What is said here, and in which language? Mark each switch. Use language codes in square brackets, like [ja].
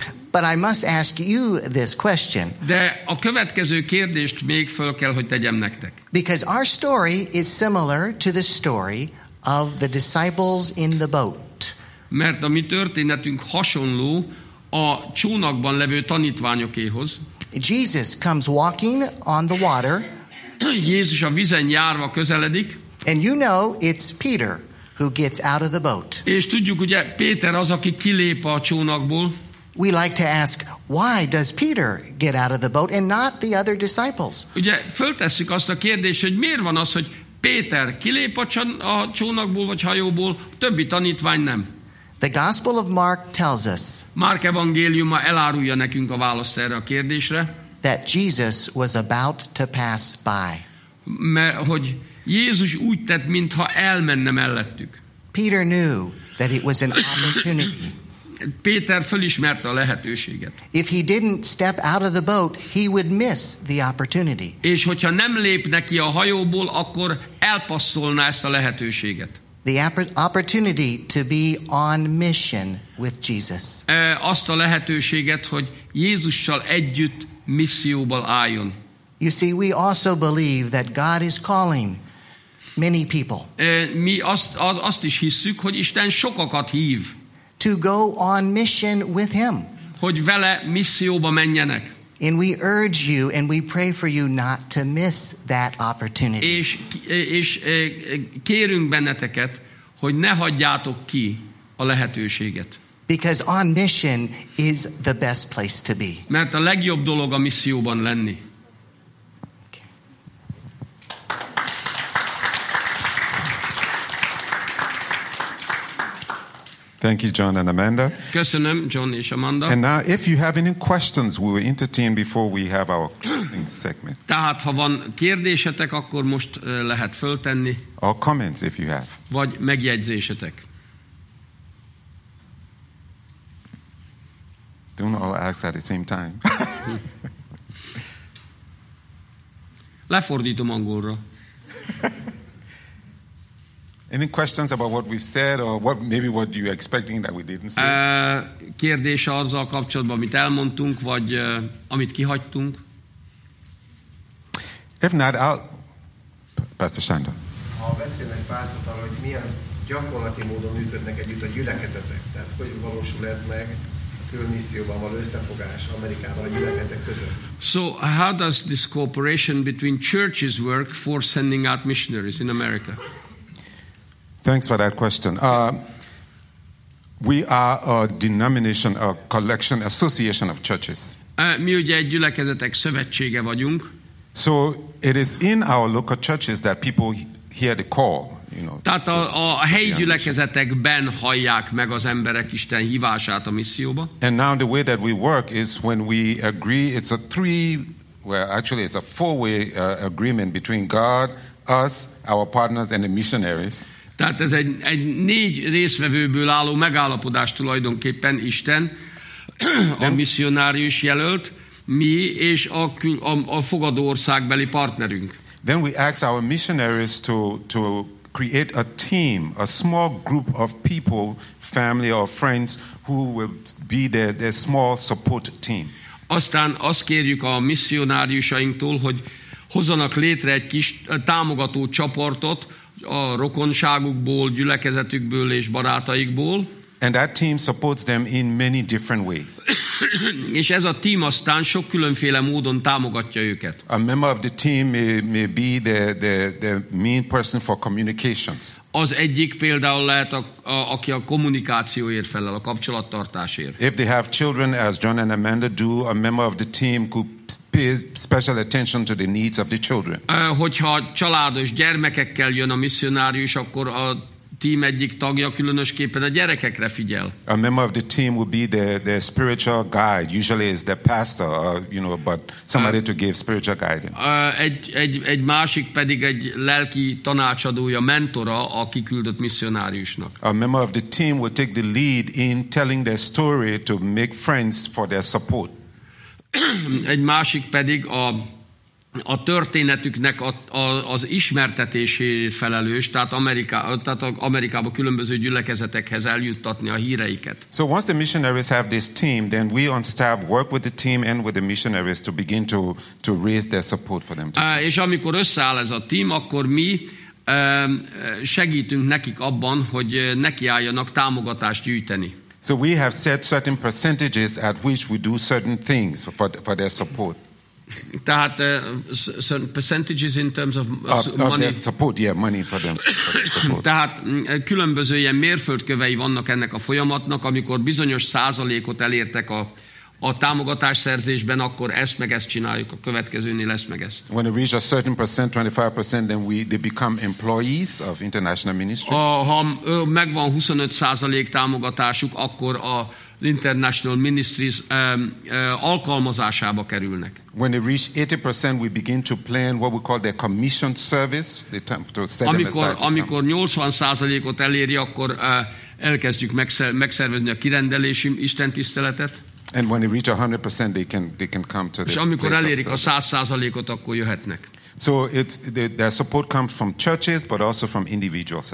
[en] But I must ask you this question. [hu] De a következő kérdést még föl kell, hogy tegyem nektek. [en] Because our story is similar to the story of the disciples in the boat. [hu] Mert a mi történetünk hasonló a csónakban levő tanítványokéhoz. [en] Jesus comes walking on the water. [hu] Jézus a vízen járva közeledik. [en] And you know it's Peter who gets out of the boat. [hu] És tudjuk, ugye Péter az, aki kilép a csónakból. [en] We like to ask, why does Peter get out of the boat and not the other disciples? [hu] Ugye föltesszük azt a kérdést, hogy miért van az, hogy Péter kilép a csónakból vagy hajóból, többi tanítvány nem. [en] The Gospel of Mark tells us. [hu] Márk evangéliuma elárulja nekünk a választ erre a kérdésre. [en] That Jesus was about to pass by. [hu] Mert hogy Jézus úgy tett, mintha elmenne mellettük. [en] Peter knew that it was an opportunity. [hu] Péter fölismerte a lehetőséget. [en] If he didn't step out of the boat, he would miss the opportunity. [hu] És hogyha nem lépne ki a hajóból, akkor elpasszolná ezt a lehetőséget. [en] The opportunity to be on mission with Jesus. [hu] Azt a lehetőséget, hogy Jézussal együtt misszióban álljon. [en] You see, we also believe that God is calling many people. [hu] Mi azt is hisszük, hogy Isten sokakat hív. [en] To go on mission with him. [hu] Hogy vele misszióba menjenek. [en] And we urge you and we pray for you not to miss that opportunity. [hu] És kérünk benneteket, hogy ne hagyjátok ki a lehetőséget. [en] Because on mission is the best place to be. [hu] Mert a legjobb dolog a misszióban lenni. [en] Thank you, John and Amanda. [hu] Köszönöm, John és Amanda. [en] And now, if you have any questions, we will entertain before we have our closing segment. [hu] Tehát, ha van kérdésetek, akkor most lehet föltenni. [en] Or comments, if you have. [hu] Vagy megjegyzésetek. [en] Don't all ask at the same time. [hu] Lefordítom angolra. [en] Any questions about what we've said or what maybe what you expecting that we didn't say? [hu] Kérdés azzal kapcsolatban, amit elmondtunk, vagy amit kihagytunk? [en] If not, I'll... Pastor Sándor. [hu] Ha beszélnek pár szót arra, hogy milyen gyakorlati módon működnek együtt a gyülekezetek, tehát hogy valósul ez meg a külmisszióban való összefogás Amerikában a gyülekezetek között? [en] So how does this cooperation between churches work for sending out missionaries in America? Thanks for that question. We are a denomination, a collection, association of churches. [hu] Mi ugye egy gyülekezetek szövetsége vagyunk. [en] So it is in our local churches that people hear the call, you know. [hu] Tehát a helyi gyülekezetekben hallják meg az emberek Isten hívását a misszióba. [en] And now the way that we work is when we agree, it's a three, well actually it's a four-way agreement between God, us, our partners and the missionaries. [hu] Tehát ez egy négy részvevőből álló megállapodás tulajdonképpen Isten, a misszionárius jelölt, mi és a fogadó országbeli partnerünk. [en] Then we ask our missionaries to create a team, a small group of people, family or friends, who will be their small support team. [hu] Aztán azt kérjük a misszionáriusainktól, hogy hozzanak létre egy kis támogató csoportot, a rokonságukból, gyülekezetükből és barátaikból. [en] And that team supports them in many different ways. [hu] És ez a team aztán sok különféle módon támogatja őket. [en] A member of the team may be the main person for communications. [hu] Az egyik például lehet, aki a kommunikációért felel, a kapcsolattartásért. [en] If they have children, as John and Amanda do, a member of the team could pay special attention to the needs of the children. [hu] Hogyha családos gyermekekkel jön a misszionárius, akkor a team egyik tagja különösképpen a gyerekekre figyel. [en] A member of the team would be the spiritual guide. Usually it's the pastor, you know, but somebody to give spiritual guidance. [hu] Egy másik pedig egy lelki tanácsadója, mentora a kiküldött misszionáriusnak. [en] A member of the team would take the lead in telling their story to make friends for their support. [hu] Egy másik pedig a történetüknek az ismertetéséért felelős, tehát Amerikába különböző gyülekezetekhez eljuttatni a híreiket. [en] So once the missionaries have this team, then we on staff work with the team and with the missionaries to begin to raise their support for them. [hu] És amikor összeáll ez a team, akkor mi segítünk nekik abban, hogy nekiálljanak támogatást gyűjteni. [en] So we have set certain percentages at which we do certain things for their support. Tehát certain percentages in terms of money. Of their support, yeah, money for them. [hu] Tehát különböző ilyen mérföldkövei vannak ennek a folyamatnak, amikor bizonyos százalékot elértek a támogatásszerzésben, akkor ezt meg ezt csináljuk, a következőnél lesz meg ezt. [en] When it reaches a certain percent, 25%, then they become employees of international ministries. [hu] Ha megvan 25% támogatásuk, akkor az international ministries alkalmazásába kerülnek. [en] When they reach 80%, we begin to plan what we call their commissioned service. [hu] Amikor 80%-ot eléri, akkor elkezdjük megszervezni a kirendelési istentiszteletet. [en] And when they reach 100%, they can come to the. [hu] És amikor elérik a 100%-ot, akkor jöhetnek. [en] So their support comes from churches, but also from individuals.